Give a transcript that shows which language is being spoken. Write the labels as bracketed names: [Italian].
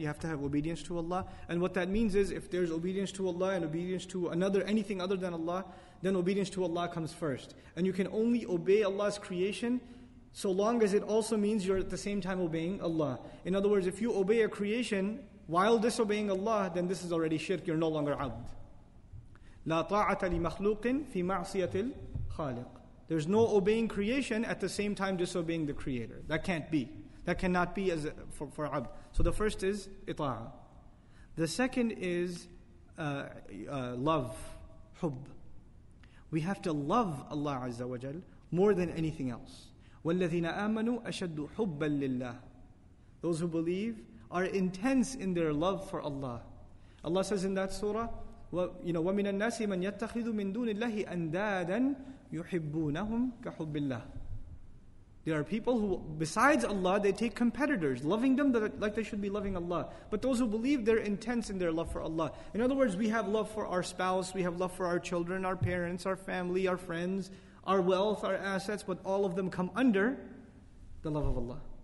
[English] You have to have obedience to Allah. And what that means is, if there's obedience to Allah and obedience to another, anything other than Allah, then obedience to Allah comes first. And you can only obey Allah's creation so long as it also means you're at the same time obeying Allah. In other words, if you obey a creation while disobeying Allah, then this is already shirk, you're no longer abd. [Arabic] لا طاعة لمخلوق في معصية الخالق. [English] There's no obeying creation at the same time disobeying the creator. That can't be. That cannot be as for abd. So the first is ita'a. The second is love, hubb. We have to love Allah Azza wa Jal more than anything else. [Arabic] وَالَّذِينَ آمَنُوا أَشَدُّ حُبًّا لِلَّهِ. [English] Those who believe are intense in their love for Allah. Allah says in that surah, [Arabic] وَمِنَ النَّاسِ مَنْ يَتَّخِذُ مِنْ دُونِ اللَّهِ أَنْدَادًا يُحِبُّونَهُمْ كَحُبِّ اللَّهِ. [English] There are people who, besides Allah, they take competitors, loving them like they should be loving Allah. But those who believe, they're intense in their love for Allah. In other words, we have love for our spouse, we have love for our children, our parents, our family, our friends, our wealth, our assets, but all of them come under the love of Allah.